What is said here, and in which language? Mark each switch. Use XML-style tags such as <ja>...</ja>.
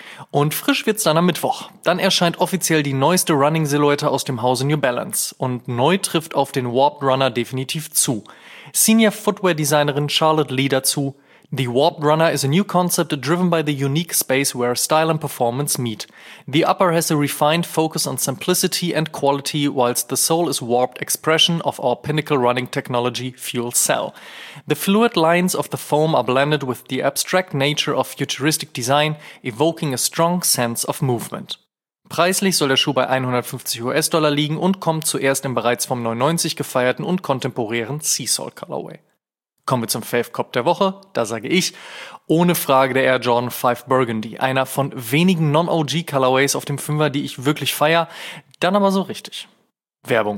<de>Und frisch wird's dann am Mittwoch. Dann erscheint offiziell die neueste Running-Silhouette aus dem Hause New Balance. Und neu trifft auf den Warped Runner definitiv zu. Senior Footwear-Designerin Charlotte Lee dazu.</de> <en>The Warped Runner is a new concept driven by the unique space where style and performance meet. The upper has a refined focus on simplicity and quality, whilst the sole is warped expression of our pinnacle running technology, Fuel Cell. The fluid lines of the foam are blended with the abstract nature of futuristic design, evoking a strong sense of movement.</en> <de>Preislich soll der Schuh bei 150 US-Dollar liegen und kommt zuerst im bereits vom 99 gefeierten und kontemporären Seasol Colorway. Kommen wir zum Fave-Cop der Woche. Da sage ich, ohne Frage der Air Jordan 5 Burgundy. Einer von wenigen Non-OG-Colorways auf dem Fünfer, die ich wirklich feier. Dann aber so richtig. Werbung.</de>